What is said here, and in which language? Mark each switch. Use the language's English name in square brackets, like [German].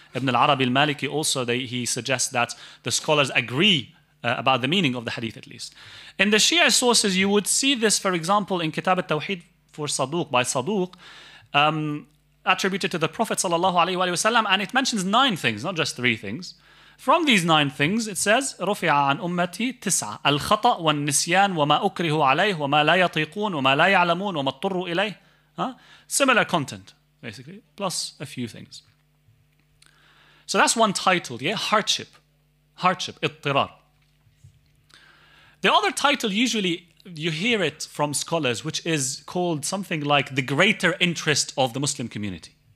[English] Ibn al-Arabi al-Maliki also, he suggests that the scholars agree about the meaning of the hadith, at least. In the Shia sources, you would see this, for example, in Kitab al-Tawheed for Saduq, by Saduq, attributed to the Prophet sallallahu alaihi wa sallam, and it mentions 9 things, not just 3 things. From these 9 things, it says, [Arabic] رُفِعَ عَنْ أُمَّتِي 9 الْخَطَأ وَالنِّسْيَانِ وَمَا أُكْرِهُ عَلَيْهِ وَمَا لَا يَطِيقُونَ وَمَا لَا يَعْلَمُونَ وَمَا اضْطُرُّوا إِلَيْهِ. [English] Similar content, basically, plus a few things. So that's one title, yeah? Hardship, اضطرار. The other title, usually you hear it from scholars, which is called something like the greater interest of the Muslim community.